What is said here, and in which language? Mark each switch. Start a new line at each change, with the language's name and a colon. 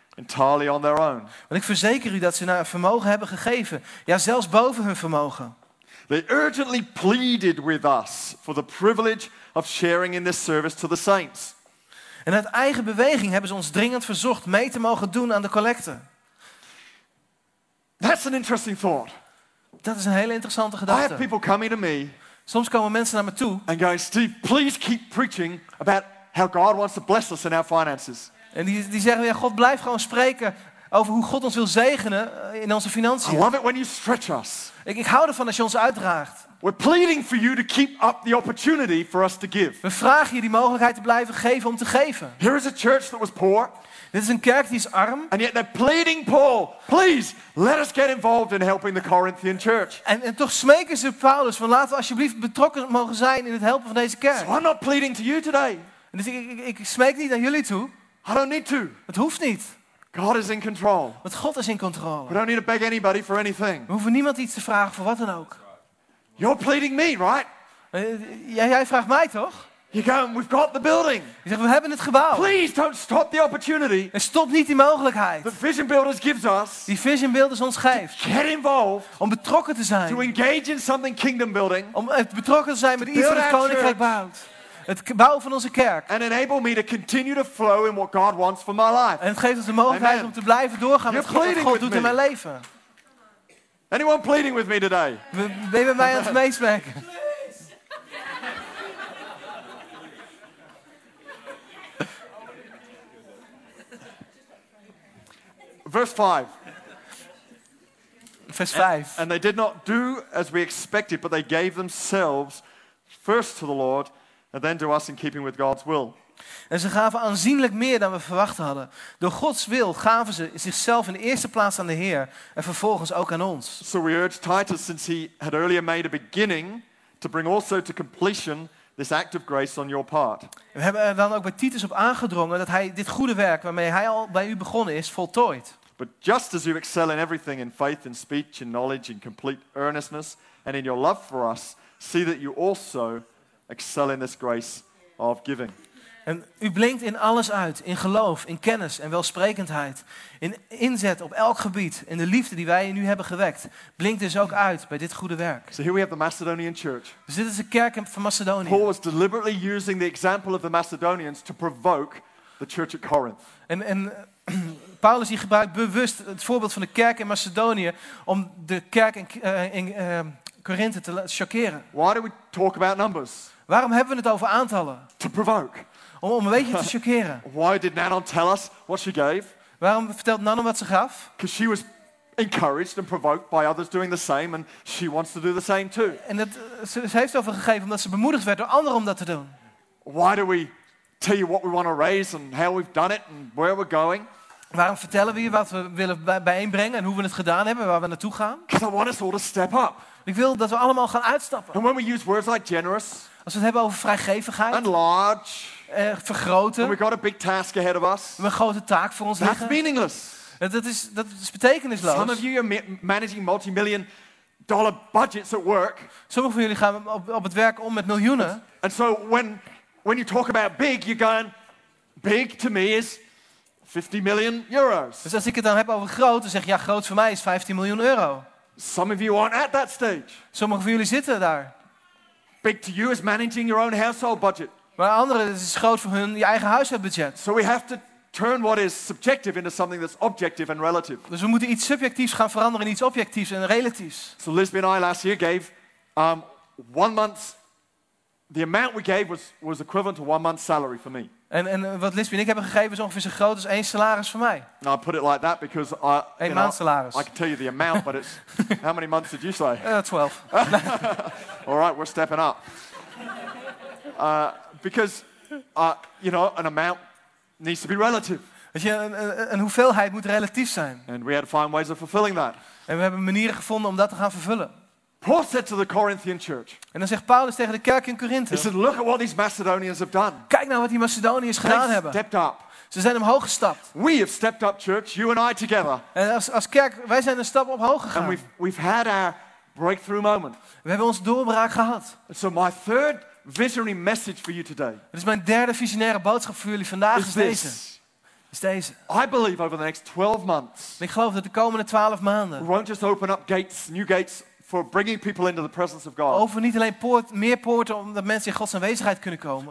English: Entirely on their own.
Dutch: Want ik verzeker u dat ze naar vermogen hebben gegeven, ja zelfs boven hun vermogen.
English: They urgently pleaded with us for the privilege of sharing in this service to the saints.
Dutch: En uit eigen beweging hebben ze ons dringend verzocht mee te mogen doen aan de collecte.
English: That's an interesting thought.
Dutch: Dat is een hele interessante gedachte.
English: I have people coming to me.
Dutch: Soms komen mensen naar me toe.
English: And going, Steve, please keep preaching about how God wants to bless us in our finances.
Dutch: En die zeggen, ja, God blijft gewoon spreken over hoe God ons wil zegenen in onze financiën.
English: I love it when you stretch us.
Dutch: Ik hou ervan als je ons uitdraagt.
English: We're pleading for you to keep up the opportunity for us to give.
Dutch: We vragen je die mogelijkheid te blijven geven om te geven.
English: Here is a church that was poor.
Dutch: Dit is een kerk die is arm.
English: And yet they're pleading Paul, please let us get involved in helping the Corinthian church.
Dutch: En toch smeken ze Paulus van laten we alsjeblieft betrokken mogen zijn in het helpen van deze kerk.
English: So I'm not pleading to you today.
Dutch: Dus ik smeek niet naar jullie toe.
English: I don't need to.
Dutch: Het hoeft niet.
English: God is in control.
Dutch: Want God is in controle.
English: We don't need to beg anybody for anything.
Dutch: We hoeven niemand iets te vragen voor wat dan ook.
English: You're pleading me, right?
Dutch: Jij vraagt mij toch?
English: You go, we've got the building.
Dutch: Je zegt, we hebben het gebouw.
English: Please don't stop the opportunity.
Dutch: En stop niet die mogelijkheid.
English: The Vision Builders gives us.
Dutch: Die Vision Builders ons geeft.
English: To get involved.
Dutch: Om betrokken te zijn.
English: To engage in something kingdom building.
Dutch: Om betrokken te zijn met iets wat het koninkrijk bouwt. Het bouwen van onze kerk.
English: And enable me to continue to flow in what God wants for my life.
Dutch: En het geeft ons de mogelijkheid om te blijven doorgaan met wat God doet in mijn leven.
English: Anyone pleading with me today?
Dutch: Ben je met mij aan het meespreken?
English: Verse 5. And they did not do as we expected, but they gave themselves first to the Lord, and then to us in keeping with God's will.
Dutch: En ze gaven aanzienlijk meer dan we verwacht hadden. Door Gods wil gaven ze zichzelf in de eerste plaats aan de Heer en vervolgens ook aan ons.
English: So we urge Titus, since he had earlier made a beginning, to bring also to completion this act of grace on your part.
Dutch: We hebben er dan ook bij Titus op aangedrongen dat hij dit goede werk waarmee hij al bij u begonnen is, voltooit.
English: But just as you excel in everything, in faith, in speech, in knowledge, in complete earnestness, and in your love for us, see that you also excel in this grace of giving.
Dutch: En u blinkt in alles uit, in geloof, in kennis en welsprekendheid, in inzet op elk gebied, in de liefde die wij in u hebben gewekt, blinkt dus ook uit bij dit goede werk.
English: So here we have the Macedonian church.
Dutch: Dus dit is de kerk van Macedonië.
English: Paul was deliberately using the example of the Macedonians to provoke the church at Corinth.
Dutch: En Paulus die gebruikt bewust het voorbeeld van de kerk in Macedonië om de kerk in Corinthe te shockeren.
English: Why do we talk about numbers?
Dutch: Waarom hebben we het over aantallen?
English: To provoke.
Dutch: Om een beetje te shockeren.
English: Why did Nanon tell us what she gave?
Dutch: Waarom vertelt Nanon wat ze gaf?
English: Because she was encouraged and provoked by others doing the same, and she wants to do the same too.
Dutch: En dat ze heeft over gegeven omdat ze bemoedigd werd door anderen om dat te doen.
English: Why do we tell you what we want to raise and how we've done it and where we're going?
Dutch: Waarom vertellen we je wat we willen bijeenbrengen en hoe we het gedaan hebben, waar we naartoe gaan?
English: Because I want us all to step up.
Dutch: Ik wil dat we allemaal gaan uitstappen.
English: And when we use words like generous.
Dutch: Als we het hebben over vrijgevigheid.
English: And large.
Dutch: Vergroten.
English: We got a big task ahead of us.
Dutch: Een grote taak voor ons
English: That's
Dutch: liggen.
English: Meaningless.
Dutch: Dat is betekenisloos.
English: Some of you are managing multi-million dollar budgets at work.
Dutch: Sommigen van jullie gaan op het werk om met miljoenen.
English: And so when you talk about big, you're going, big to me is 50 million euros.
Dutch: Dus als ik het dan heb over groot, dan zeg je, ja, groot voor mij is 15 miljoen euro.
English: Some of you aren't at that stage.
Dutch: Sommigen van jullie zitten daar.
English: Big to you is managing your own household budget.
Dutch: Maar anderen, het is groot voor hun je eigen huishoudbudget.
English: So we have to turn what is subjective into something that's objective and relative.
Dutch: Dus we moeten iets subjectiefs gaan veranderen in iets objectiefs en relatiefs.
English: So Lisbeth and I last year gave one month's, the amount we gave was equivalent to one month's salary for me.
Dutch: En wat Lisbeth en ik hebben gegeven is ongeveer zo groot als één salaris voor mij.
English: Now I put it like that because I,
Dutch: een maand salaris.
English: I can tell you the amount, but it's how many months did you say? 12. All right, we're stepping up. Because, you know, an amount needs to be relative.
Dutch: Weet je, een hoeveelheid moet relatief zijn.
English: And we had fine ways of fulfilling that.
Dutch: En we hebben manieren gevonden om dat te gaan vervullen.
English: Paul said to the Corinthian church.
Dutch: En dan zegt Paulus tegen de kerk in Korinthe.
English: He said, look at what these Macedonians have done.
Dutch: Kijk nou wat die Macedoniërs gedaan hebben.
English: Stepped up.
Dutch: Ze zijn omhoog gestapt.
English: We have stepped up, church, you and I together.
Dutch: En als kerk, wij zijn een stap omhoog gegaan.
English: And we've had our breakthrough moment.
Dutch: We hebben ons doorbraak gehad.
English: So my third visionary message for you today.
Dutch: Het is mijn derde visionaire boodschap voor jullie vandaag is deze. is deze.
English: I believe over the next 12 months.
Dutch: Ik geloof dat de komende 12 maanden.
English: We won't just open up gates, new gates for bringing people into the presence of God.
Dutch: Over niet alleen meer poorten omdat mensen in Gods aanwezigheid kunnen komen.